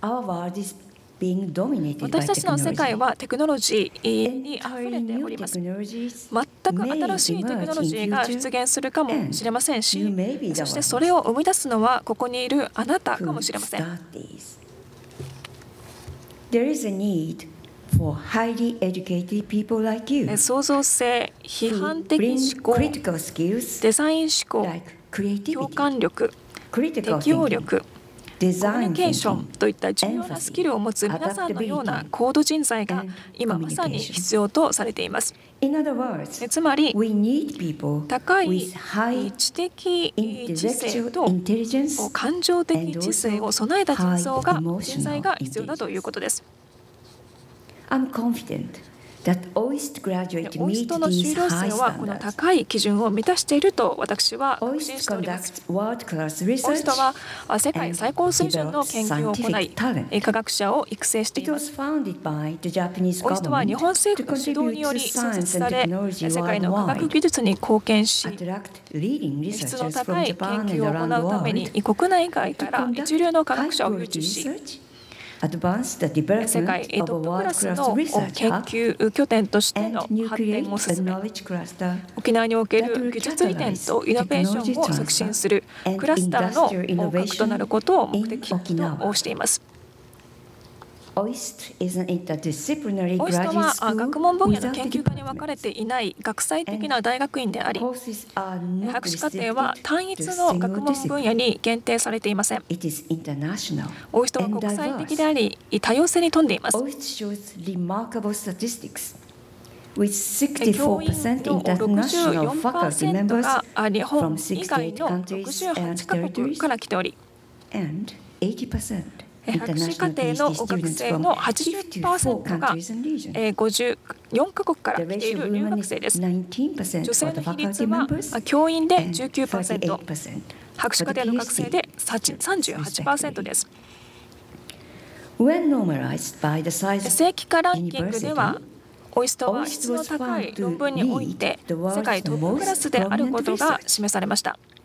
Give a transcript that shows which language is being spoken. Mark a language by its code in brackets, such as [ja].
[ja] 私たちの世界はテクノロジーにあふれております。全く新しいテクノロジーが出現するかもしれませんし、そしてそれを生み出すのはここにいるあなたかもしれません。 [en] There is a needFor highly educated people like you, [ja] 創造性、批判的思考、デザイン思考、共感力、適応力、コミュニケーションといった重要なスキルを持つ皆さんのような高度人材が今まさに必要とされています。つまり、高い知的知性と感情的知性を備えた人材が必要だということです。 [en] I'm confident that OIST graduate meets these high standards. [ja] OIST の修了生はこの高い基準を満たしていると私は確信しております。 OIST は世界最高水準の研究を行い、科学者を育成しています。 OIST は日本政府の指導により創設され、世界の科学技術に貢献し、質の高い研究を行うために国内外から一流の科学者を誘致し、世界トップクラスの研究拠点としての発展を進め、沖縄における技術移転とイノベーションを促進するクラスターの核となることを目的としています。 [en] OIST is an interdisciplinary graduate school. [ja] OIST は学問分野の研究科に分かれていない学際的な大学院であり、博士課程は単一の学問分野に限定されていません。 [en] It is international. [ja] OIST は国際的であり、多様性に富んでいます。 [en] OIST shows remarkable statistics. With 64% international faculty members from 68 countries and territories, and 80% international students from 54 countries and regions. [ja] 4カ国から来ている留学生です。女性の比率は教員で 19%、 博士課程の学生で 38% です。正規化ランキングでは、オイストは質の高い論文において世界トップクラスであることが示されました。